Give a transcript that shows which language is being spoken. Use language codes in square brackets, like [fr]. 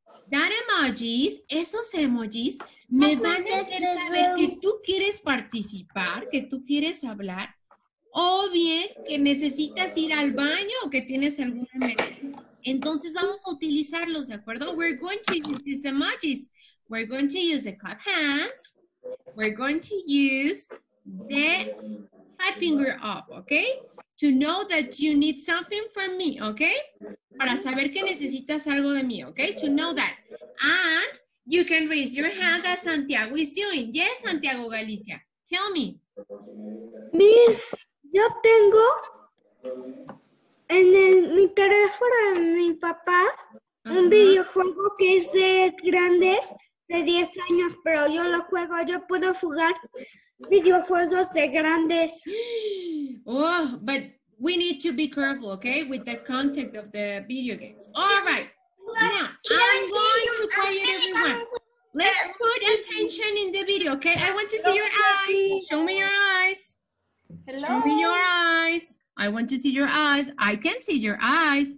[en] That emojis, [es] esos emojis, me van a hacer saber que tú quieres participar, que tú quieres hablar, o bien que necesitas ir al baño o que tienes alguna emergencia. Entonces vamos a utilizarlos, ¿de acuerdo? [en] We're going to use these emojis. We're going to use the clap hands. We're going to use the fat finger up, okay? To know that you need something from me, okay? [es] Para saber que necesitas algo de mí, okay? [en] To know that. And you can raise your hand as Santiago is doing. Yes, Santiago Galicia. Tell me. [es] Miss, yo tengo en mi teléfono de mi papá un videojuego que es de grandes, de 10 años, pero yo lo juego, yo puedo jugar videojuegos de grandes. [en] Oh, but we need to be careful, okay, with the content of the video games. All right, now I'm going to quiet everyone. Let's put attention in the video, okay? I want to see your eyes. Show me your eyes. Hello. Show me your eyes. I want to see your eyes. I can see your eyes.